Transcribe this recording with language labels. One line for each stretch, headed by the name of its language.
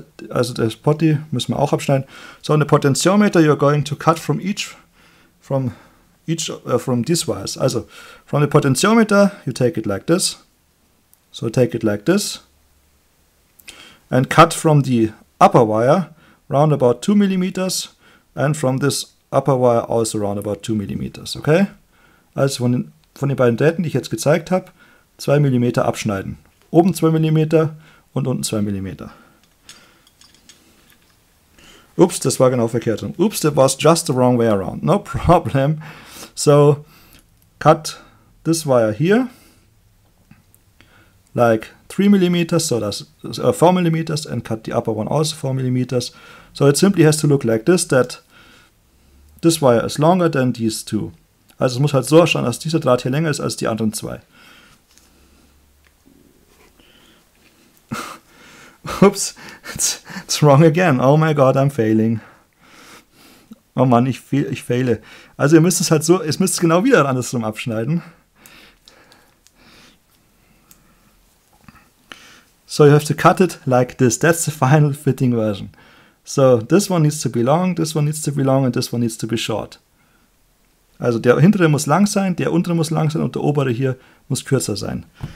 German: Also das Potty müssen wir auch abschneiden.
English: So on the potentiometer you're going to cut from these wires. Also from the potentiometer you take it like this. So take it like this. And cut from the upper wire round about 2 mm and from this upper wire also round about 2 mm, okay?
German: Also von den beiden Drähten, die ich jetzt gezeigt habe, 2 mm abschneiden. Oben 2 mm und unten 2 mm. Ups, das war genau verkehrt.
English: Ups, that was just the wrong way around. No problem. So, cut this wire here. Like 3 mm, so that's 4 mm, and cut the upper one also 4 mm. So it simply has to look like this, that this wire is longer than these two. Also es muss halt so erscheinen, dass dieser Draht hier länger ist als die anderen zwei. Oops, it's wrong again. Oh my god, I'm failing.
German: Oh man, ich fehle. Also ihr müsst es halt so, ihr müsst es genau wieder andersrum abschneiden.
English: So you have to cut it like this. That's the final fitting version. So this one needs to be long, this one needs to be long and this one needs to be short.
German: Also der hintere muss lang sein, der untere muss lang sein und der obere hier muss kürzer sein.